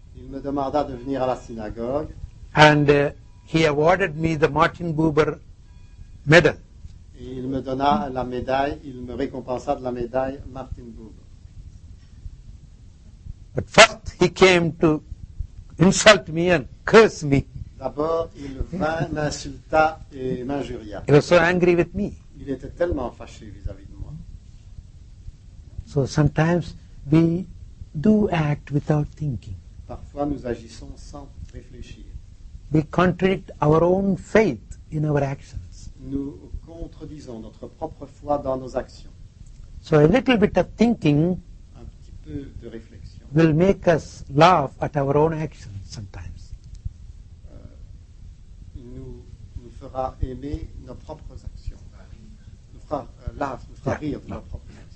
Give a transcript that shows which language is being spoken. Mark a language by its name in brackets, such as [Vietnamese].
[French] Il me demanda de venir à la synagogue. [English] And he awarded me the Martin Buber Medal. [French] Et il me donna la médaille. Il me récompensa de la médaille Martin Buber. [English] But first he came to insult me and curse me. [French] D'abord, il vint, m'insulta et m'injuria. [English] He was so angry with me. [French] Il était tellement fâché vis-à-vis de moi. [English] So sometimes we do act without thinking. [French] Parfois, nous agissons sans réfléchir. [English] We contradict our own faith in our actions. [French] Nous contredisons notre propre foi dans nos actions. [English] So a little bit of thinking, [French] un petit peu de réflexion, [English] will make us laugh at our own actions sometimes. [French] Nous fera aimer nos propres actions. Nous fera rire de nos propres actions.